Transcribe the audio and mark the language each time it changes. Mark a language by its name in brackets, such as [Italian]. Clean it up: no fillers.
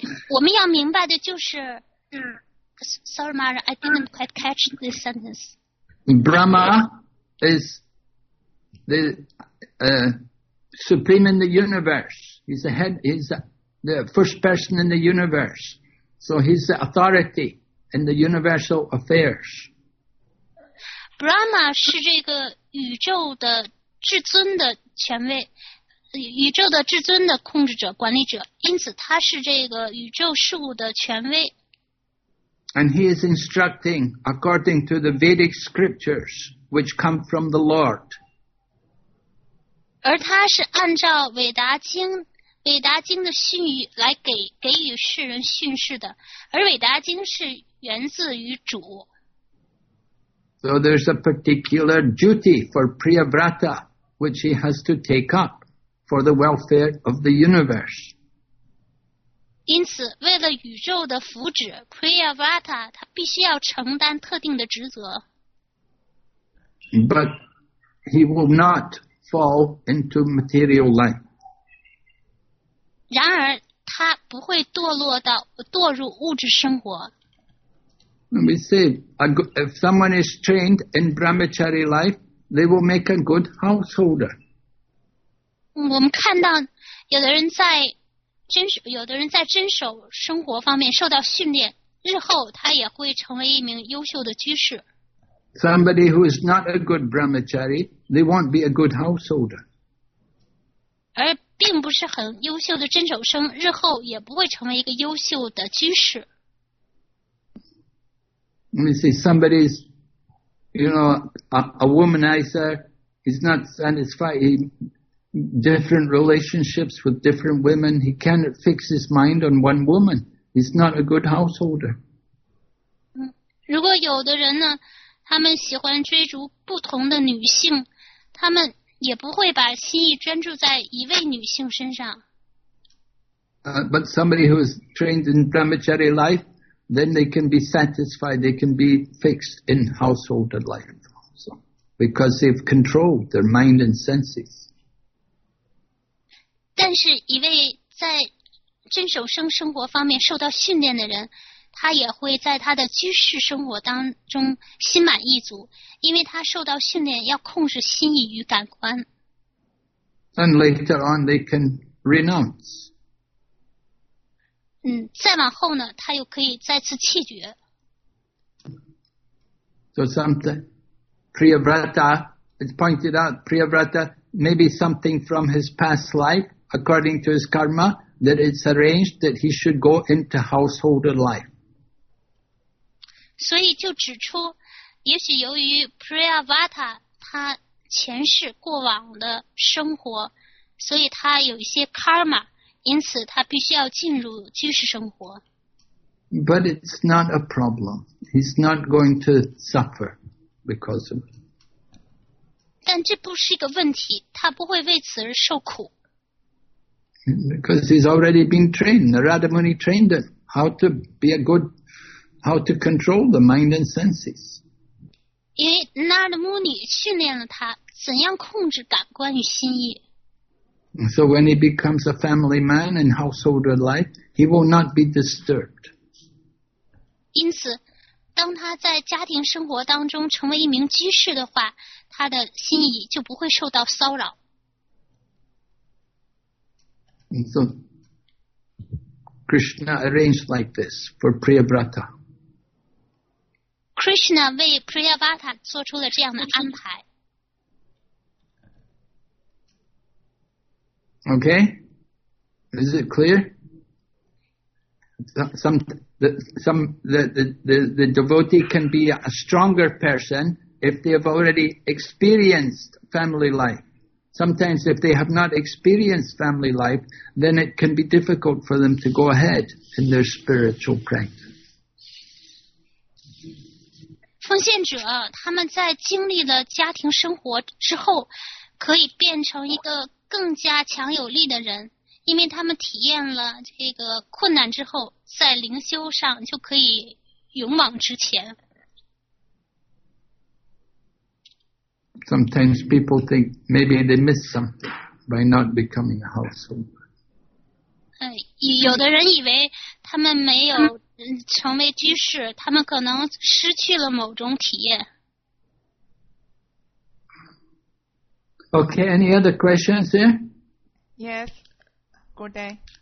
[Chinese] 我们要明白的就是 [English] Sorry, Mara, I didn't quite catch this sentence. Brahma is the supreme in the universe. He's the head, he's the first person in the universe. So he's the authority in the universal affairs. [Chinese] Brahma 是这个宇宙的至尊的权威，宇宙的至尊的控制者、管理者，因此他是这个宇宙事物的权威。 [English] And he is instructing according to the Vedic scriptures which come from the Lord. [Chinese] 而他是按照韦达经的训语来给予世人训示的，而韦达经是源自于主。 [English] So there's a particular duty for Priyavrata which he has to take up for the welfare of the universe. [Chinese] 因此为了宇宙的福祉 Priyavrata 他必须要承担特定的职责。 [English] But he will not fall into material life. [Chinese] 然而他不会堕入物质生活。 [English] Let me say, if someone is trained in brahmachari life, they will make a good householder. [Chinese] 我们看到有的人在有的人在遵守生活方面受到训练，日后他也会成为一名优秀的居士。 [English] Somebody who is not a good brahmachari, they won't be a good householder. [Chinese] 而并不是很优秀的遵守生，日后也不会成为一个优秀的居士。 [English] Let me see, somebody's, you know, a womanizer, he's not satisfied, different relationships with different women. He cannot fix his mind on one woman. He's not a good householder. [Chinese] 如果有的人呢，他们喜欢追逐不同的女性，他们也不会把心意专注在一位女性身上。 [English] But somebody who is trained in brahmachari life, then they can be satisfied. They can be fixed in householder life also, because they've controlled their mind and senses. [Chinese] 但是一位在遵守生活方面受到训练的人，他也会在他的居士生活当中心满意足，因为他受到训练要控制心意与感官。 [English] And later on they can renounce. [Chinese] 再往后呢，他又可以再次弃绝。 [English] So something, Priyavrata, it's pointed out, Priyavrata, maybe something from his past life,according to his karma, that it's arranged that he should go into householder life. [Chinese] 所以就指出，也许由于 Priyavrata 他前世过往的生活，所以他有一些 karma, 因此他必须要进入居士生活。 [English] But it's not a problem. He's not going to suffer because of it. [Chinese] 但这不是一个问题，他不会为此而受苦。 [English] Because he's already been trained. Narada Muni trained him how to control the mind and senses. [Chinese] 因为 Narada Muni 训练了他怎样控制感官与心意。 [English] So when he becomes a family man and household alike, he will not be disturbed. [Chinese] 因此，当他在家庭生活当中成为一名居士的话，他的心意就不会受到骚扰。 [English] And so, Krishna arranged like this for Priyavrata. [Chinese] Krishna 为 Priyavrata 做出了这样的安排。 [English] Okay, is it clear? The devotee can be a stronger person if they have already experienced family life. Sometimes if they have not experienced family life, then it can be difficult for them to go ahead in their spiritual practice. [Chinese] 奉献者，他们在经历了家庭生活之后，可以变成一个更加强有力的人，因为他们体验了这个困难之后，在灵修上就可以勇往直前。 [English] Sometimes people think maybe they miss something by not becoming a householder. [Chinese] 有的人以为他们没有成为居士，他们可能失去了某种体验。 [English] Okay, any other questions here? Yes. Good day.